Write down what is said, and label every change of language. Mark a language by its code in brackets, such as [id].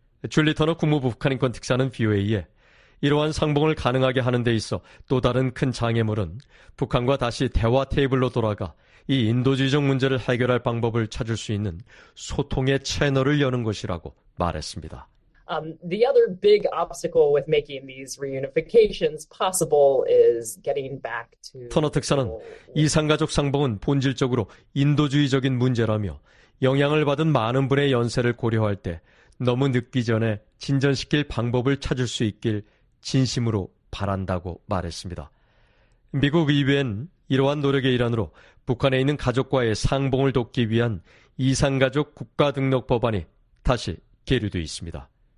[ko] 줄리 터너 국무부 북한인권 특사는 VOA에 이러한 상봉을 가능하게 하는 데 있어 또 다른 큰 장애물은 북한과 다시 대화 테이블로 돌아가 이 인도주의적 문제를 해결할 방법을 찾을 수 있는 소통의 채널을 여는 것이라고 말했습니다. [en] The other big obstacle with making these reunifications possible is getting back to. [ko] 터너 특사는 이산가족 상봉은 본질적으로 인도주의적인 문제라며 영향을 받은 많은 분의 연세를 고려할 때 너무 늦기 전에 진전시킬 방법을 찾을 수 있길 진심으로 바란다고 말했습니다. 미국 의회는 이러한 노력의 일환으로 북한에 있는 가족과의 상봉을 돕기 위한 이산가족 국가등록 법안이 다시 계류되어 있습니다.